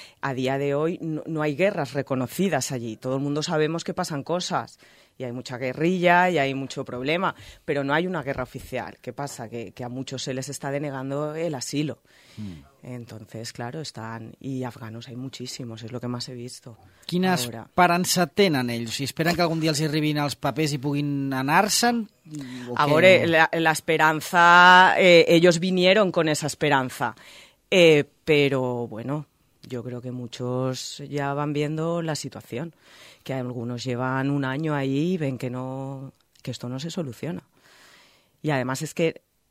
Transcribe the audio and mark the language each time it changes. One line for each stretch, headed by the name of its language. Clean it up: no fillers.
Spanish: A día de hoy no hay guerras reconocidas allí. Todo el mundo sabemos que pasan cosas y hay mucha guerrilla y hay mucho problema, pero no hay una guerra oficial. ¿Qué pasa? Que a muchos se les está denegando el asilo. Entonces, claro, están... Y afganos hay muchísimos, es lo que más he visto.
Catalan: Quina esperança tenen ells? Si esperen que algun dia els arribin els papers i puguin anar-se'n? A veure,
Spanish: la esperanza... ellos vinieron con esa esperanza. Pero, bueno, yo creo que muchos ya van viendo la situación. Que algunos llevan un año ahí y ven que no... Que esto no se soluciona. Y además es que...